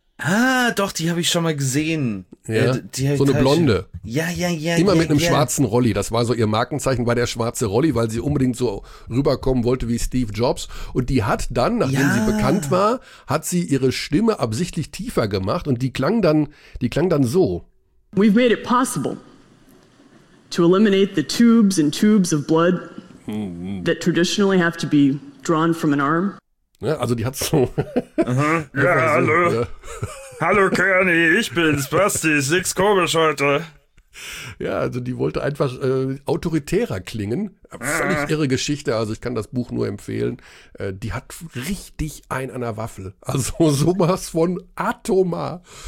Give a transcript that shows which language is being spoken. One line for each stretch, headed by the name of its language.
German: Ah, doch, die habe ich schon mal gesehen. Ja. So eine Blonde. Ja. Immer mit einem schwarzen Rolli. Das war so ihr Markenzeichen, war der schwarze Rolli, weil sie unbedingt so rüberkommen wollte wie Steve Jobs. Und die hat dann, nachdem sie bekannt war, hat sie ihre Stimme absichtlich tiefer gemacht. Und die klang dann so.
English: We've made it possible to eliminate the tubes and tubes of blood that traditionally have to be drawn from an arm.
German: Ja, also die hat so... hallo. Ja. Hallo, Kerni, ich bin's, Basti, six komisch heute. Ja, also die wollte einfach autoritärer klingen. Völlig irre Geschichte, also ich kann das Buch nur empfehlen. Die hat richtig einen an der Waffel. Also sowas von Atoma.